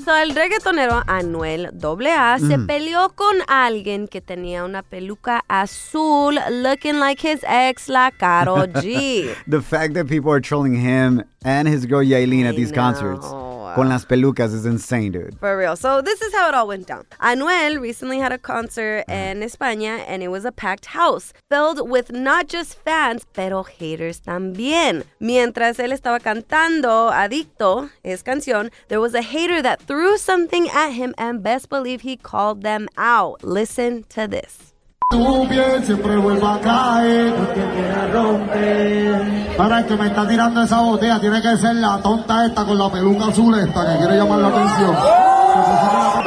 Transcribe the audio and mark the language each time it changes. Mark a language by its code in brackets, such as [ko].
[es] So, el reggaetonero Anuel AA se peleó con alguien que tenía una peluca azul, [en] looking like his ex, [es] la Karol G. [en] The fact that people are trolling him and his girl Yailin at these concerts. [es] Con las pelucas [en] is insane, dude. For real. So this is how it all went down. Anuel recently had a concert in España, and it was a packed house filled with not just fans, pero haters también. [es] Mientras él estaba cantando Adicto, [en] his canción, there was a hater that threw something at him, and best believe he called them out. Listen to this. [es] Tu piel siempre vuelve a caer, porque quiere romper. Pero el que me está tirando esa botella tiene que ser la tonta esta con la peluca azul esta que quiere llamar la atención.